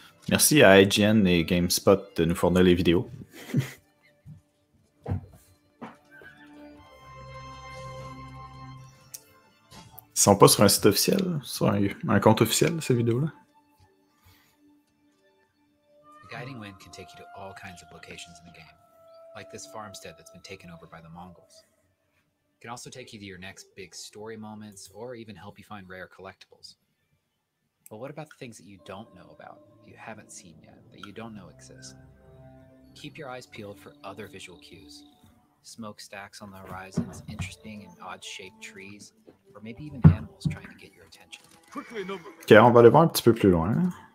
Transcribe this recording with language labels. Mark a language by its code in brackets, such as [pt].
[fr] Merci à IGN et GameSpot de nous fournir les vidéos. Ils sont pas sur un site officiel, sur un compte officiel, ces vidéos-là. [en] Guiding wind can take you to all kinds of locations in the game, like this farmstead that's been taken over by the Mongols. It can also take you to your next big story moments, or even help you find rare collectibles. But what about the things that you don't know about, you haven't seen yet, that you don't know exist? Keep your eyes peeled for other visual cues. Smokestacks on the horizons, interesting and odd-shaped trees, or maybe even animals trying to get your attention. Quickly, [fr] okay, on va aller voir un petit peu plus loin.